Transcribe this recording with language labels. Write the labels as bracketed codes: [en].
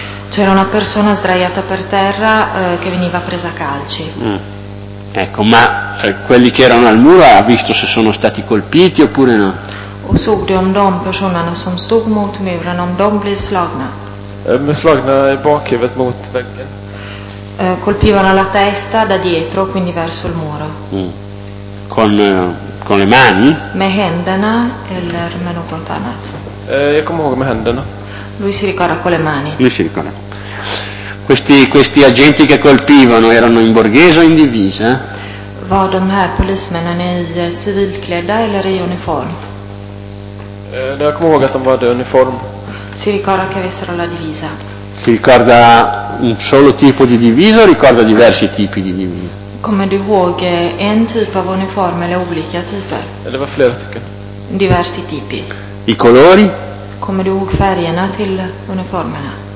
[it] C'era una persona sdraiata per terra che veniva presa a calci. Ecco, ma quelli che erano al muro ha visto se sono stati colpiti oppure no? [sv] O såg du om de personerna som stod mot muren, om de blev slagna? Slagna i bakhuvudet mot väggen. [it] Colpivano la testa da dietro, quindi verso il muro. Con le mani? [sv] Med händerna eller med något annat? Jag kommer ihåg med händerna. [it] Lui si ricorda con le mani. Lui si ricorda. Questi agenti che colpivano erano in borghese o in divisa? [sv] Var de här polismännen i civilklädda eller i uniform? Jag kommer ihåg att de var i uniform. [it] Si ricorda che avessero la divisa? Si ricorda un solo tipo di divisa o ricorda diversi tipi di divisa? [sv] Come du ihåg en typ av uniform eller olika typer? Eller var flera stycken? [it] Diversi tipi. I colori? [sv] Come du ihåg färgerna till uniformerna?